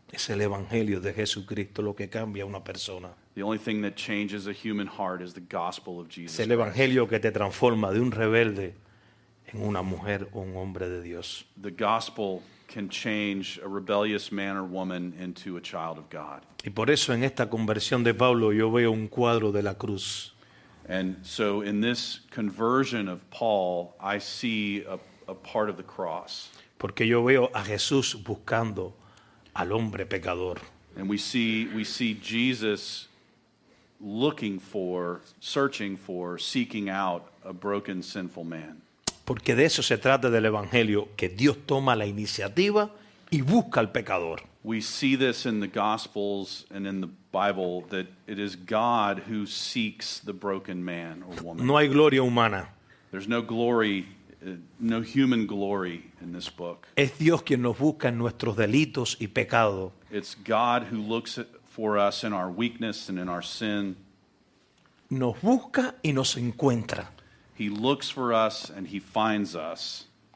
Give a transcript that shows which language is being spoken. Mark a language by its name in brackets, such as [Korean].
[Spanish] Es el evangelio de Jesucristo lo que cambia a una persona. [English] The only thing that changes a human heart is the gospel of Jesus. [Spanish] Es el evangelio que te transforma de un rebelde en una mujer o un hombre de Dios. [English] The gospel can change a rebellious man or woman into a child of God. [Spanish] Y por eso en esta conversión de Pablo yo veo un cuadro de la cruz. [English] And so in this conversion of Paul, I see a part of the cross. [Spanish] Porque yo veo a Jesús buscando al hombre pecador. [English] And we see Jesus looking for, searching for, seeking out a broken, sinful man. [Spanish] Porque de eso se trata del evangelio, que Dios toma la iniciativa y busca al pecador. [English] We see this in the Gospels and in the Bible that it is God who seeks the broken man or woman. [Spanish] No hay gloria humana. [English] There's no glory, no human glory in this book. [Spanish] Es Dios quien nos busca en nuestros delitos y pecado. [English] It's God who looks for us in our weakness and in our sin. [Spanish] Nos busca y nos encuentra. [English] He looks for us and he finds us.